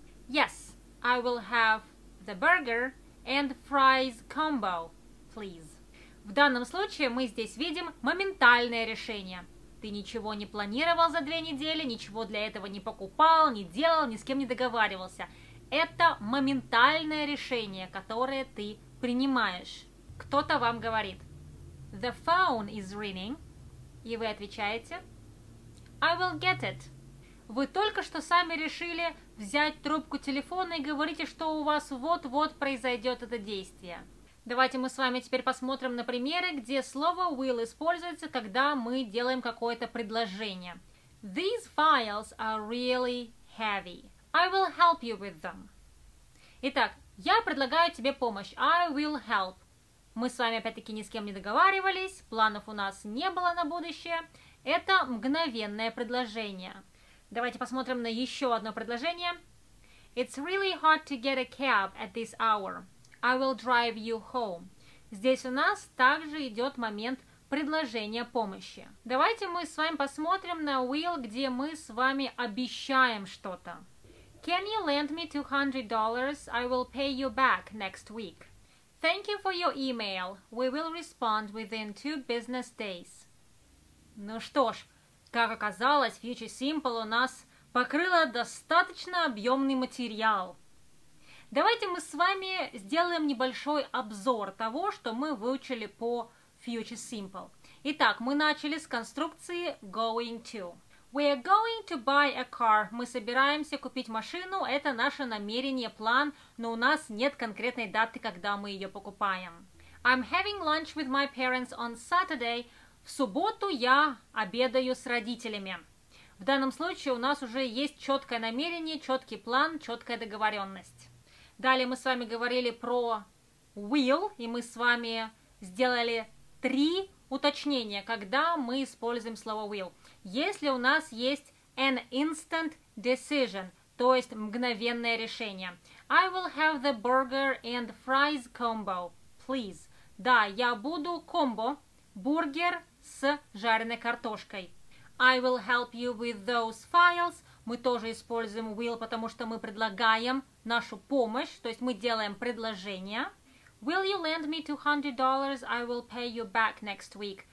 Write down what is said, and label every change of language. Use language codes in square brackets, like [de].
[en] Yes, I will have the burger and fries combo, please. [ru] В данном случае мы здесь видим моментальное решение. Ты ничего не планировал за 2 недели, ничего для этого не покупал, не делал, ни с кем не договаривался. Это моментальное решение, которое ты принимаешь. Кто-то вам говорит: The phone is ringing. И вы отвечаете: I will get it. Вы только что сами решили взять трубку телефона и говорите, что у вас вот-вот произойдет это действие. Давайте мы с вами теперь посмотрим на примеры, где слово will используется, когда мы делаем какое-то предложение. [en] These files are really heavy. I will help you with them. [ru] Итак, я предлагаю тебе помощь. [en] I will help. [ru] Мы с вами опять-таки ни с кем не договаривались, планов у нас не было на будущее. Это мгновенное предложение. Давайте посмотрим на еще одно предложение. [en] It's really hard to get a cab at this hour. I will drive you home. [ru] Здесь у нас также идет момент предложения помощи. Давайте мы с вами посмотрим на will, где мы с вами обещаем что-то. [en] Can you lend me $200? I will pay you back next week. Thank you for your email. We will respond within 2 business days. [ru] Ну что ж, как оказалось, Future Simple у нас покрыла достаточно объемный материал. Давайте мы с вами сделаем небольшой обзор того, что мы выучили по Future Simple. [en] Итак, мы начали с конструкции going to. We are going to buy a car. [ru] Мы собираемся купить машину. Это наше намерение, план, но у нас нет конкретной даты, когда мы ее покупаем. [en] I'm having lunch with my parents on Saturday. [ru] В субботу я обедаю с родителями. В данном случае у нас уже есть четкое намерение, четкий план, четкая договоренность. Далее мы с вами говорили про will, и мы с вами сделали 3 уточнения, когда мы используем слово will. Если у нас есть an instant decision, то есть мгновенное решение. [en] I will have the burger and fries combo, please. [ru] Да, я буду комбо, бургер с жареной картошкой. [en] I will help you with those files. [ru] Мы тоже используем will, потому что мы предлагаем нашу помощь, то есть мы делаем предложение. [en] Will you lend me $200? I will pay you back next week.